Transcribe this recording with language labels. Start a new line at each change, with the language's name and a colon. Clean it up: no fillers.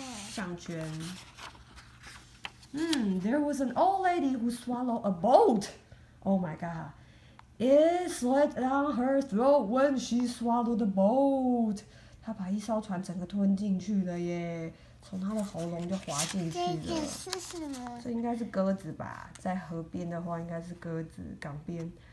Chinese: 项圈。
English: There was an old lady who swallowed a boat. Oh my god! It slid down her throat when she swallowed the boat.
Chinese: 她把一艘船整个吞进去了耶。从他的喉咙就滑进去了。这个是什么？这应该是鸽子吧，在河边的话应该是鸽子，港边。